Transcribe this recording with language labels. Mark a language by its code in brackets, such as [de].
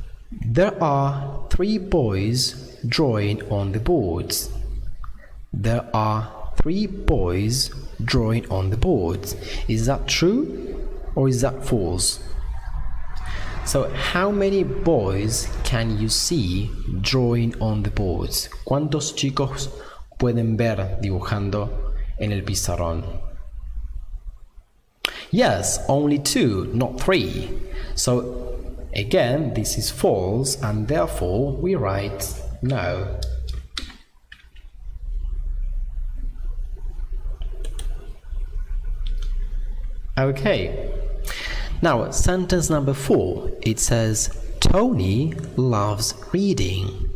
[en] There are 3 boys drawing on the boards. There are 3 boys drawing on the boards. Is that true or is that false? So how many boys can you see drawing on the boards? [es] ¿Cuántos chicos pueden ver dibujando en el pizarrón? [en] Yes, only 2, not 3. So again, this is false and therefore we write no. Okay. Now, sentence number 4, it says, Tony loves reading.